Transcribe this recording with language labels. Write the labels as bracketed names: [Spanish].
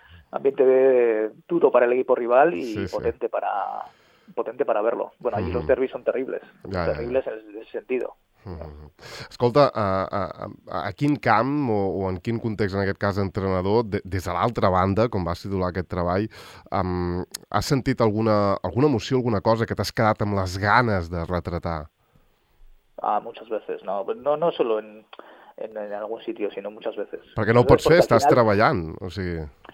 [Spanish] Ambiente duro para el equipo rival y potente para verlo. Bueno, allí los derbis son terribles, en ese sentido. [Catalan] Escolta, a quin camp o en quin context, en aquest cas entrenador, des de l'altra banda, com vas titular aquest treball, has sentit alguna emoció, alguna cosa que t'has quedat amb les ganes de retratar? [Spanish] Ah, muchas veces, no solo en algún sitio, sino muchas veces. [Catalan] Perquè no ho pots fer, estàs treballant, o sigui...